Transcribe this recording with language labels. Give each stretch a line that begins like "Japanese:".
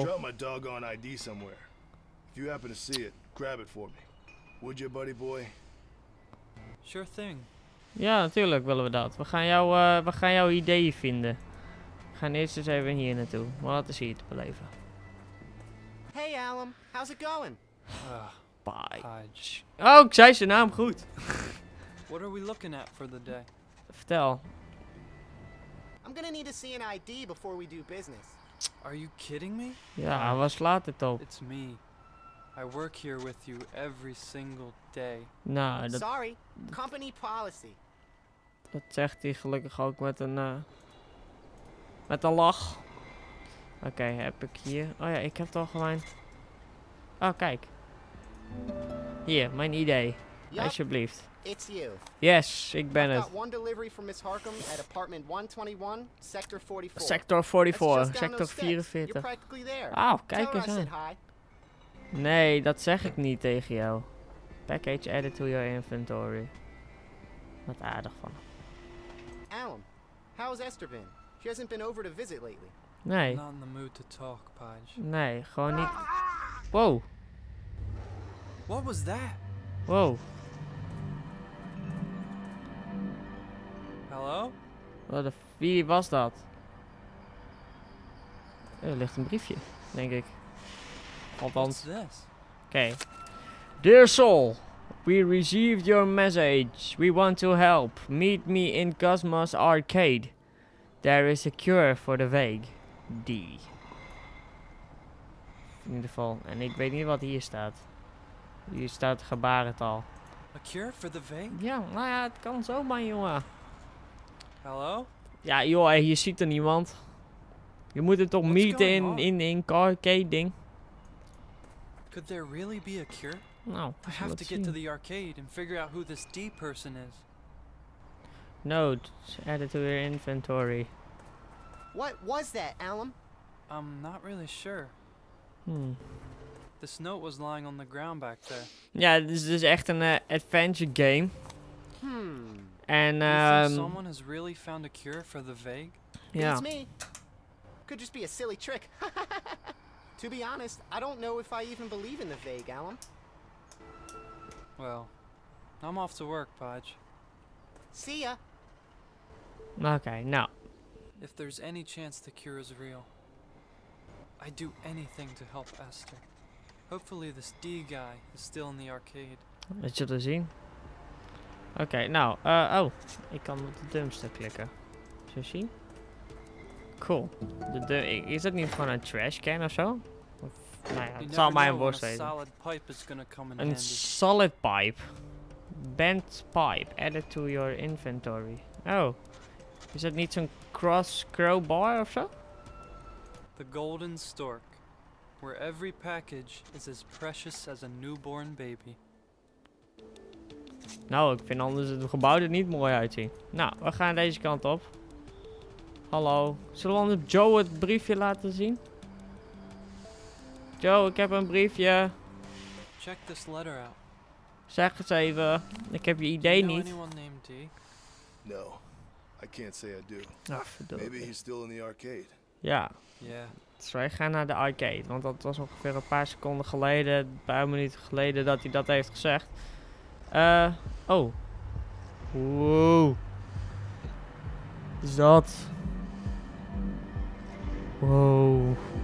English: I dropped my doggone ID somewhere. If you happen to see it, grab it for me. Would you, buddy boy? Sure thing.
Dutch: Ja, natuurlijk willen we dat. We gaan jouw ideeën vinden. We gaan eerst eens even hier naartoe. We laten ze hier te beleven.
English: Hey Alan, how's it going?
Dutch: Bye. Hodge. Oh, ik zei zijn naam goed.
English: What are we looking at for the day?
Dutch: Vertel.
English: I'm gonna need to see an ID before we do business. Are you kidding me?
Dutch: Ja, wat slaat het op?
English: It's me. I work here with you every single day.
Dutch: Nou, dat...
English: Sorry, company policy.
Dutch: Dat zegt hij gelukkig ook met een... Met een lach. Oké, heb ik hier... Oh ja, ik heb toch mijn... Oh, kijk. Hier, mijn idee. Yep. Alsjeblieft.
English: It's you. Yes,
Dutch: ik ben het.
English: I've got one delivery from Miss Harkham at apartment 121, sector 44. Sector 44, sector 44. You're practically there.
Dutch: Oh, kijk eens aan. Nee, dat zeg ik niet tegen jou.
English: Package added to your inventory.
Dutch: Wat aardig van.
English: Alan, how is Esther been? She hasn't been over to visit lately.
Dutch: Nee.
English: Not in the mood to talk, Pudge.
Dutch: Nee, gewoon niet. Wow.
English: What was that? Wow.
Dutch: Hallo? Wat de wie was dat? Er ligt een briefje, denk ik. Althans. Oké.
English: Dear Sol, we received your message. We want to help. Meet me in Cosmos Arcade. There is a cure for the vague.
Dutch: D. In ieder geval. En ik weet niet wat hier staat. Hier staat gebarentaal.
English: A cure for the vague?
Dutch: Ja, nou ja, het kan zo, man, jongen. Hallo? Ja, joh, je ziet er niemand. Je moet het toch meeten in arcade ding.
English: Could there really be a cure? No. I have to get to the arcade and figure out who this D person is. Note, add it to your inventory. What was that, Alan? I'm not really sure. This note was lying on the ground back there.
Dutch: Ja, dit is dus echt een adventure game.
English: And someone has really found a cure for the vague? Yeah. It's me. Could just be a silly trick. To be honest, I don't know if I even believe in the vague, Alan. Well, I'm off to work, Pudge. See ya. Okay, now. If there's any chance the cure is real, I'd do anything to help Esther. Hopefully this D guy is still in the arcade.
Dutch: Dat zullen we zien. Oké, nou, ik kan op de dumpster klikken. Zo zien. Cool. Is dat niet gewoon een trashcan of zo? Of, nou ja, het zal mij een worst zijn.
English: Een solid pipe. Bent pipe. Added to your inventory. Oh.
Dutch: Is dat niet zo'n crowbar of zo?
English: The golden stork. Where every package is as precious as a newborn baby.
Dutch: Nou, ik vind anders het gebouw er niet mooi uitzien. Nou, we gaan deze kant op. Hallo. Zullen we anders Joe het briefje laten zien? Joe, ik heb een briefje.
English: Check this letter out.
Dutch: Zeg eens even. Ik heb je idee niet.
English: Do you know anyone named D? No. I can't say I do.
Dutch: Ach, verdomme.
English: Maybe he's still in the arcade.
Dutch: Ja.
English: Yeah.
Dutch: Dus wij gaan naar de arcade. Want dat was ongeveer een paar seconden geleden, een paar minuten geleden dat hij dat heeft gezegd. Oh. Wow. Is dat?
English: Wow.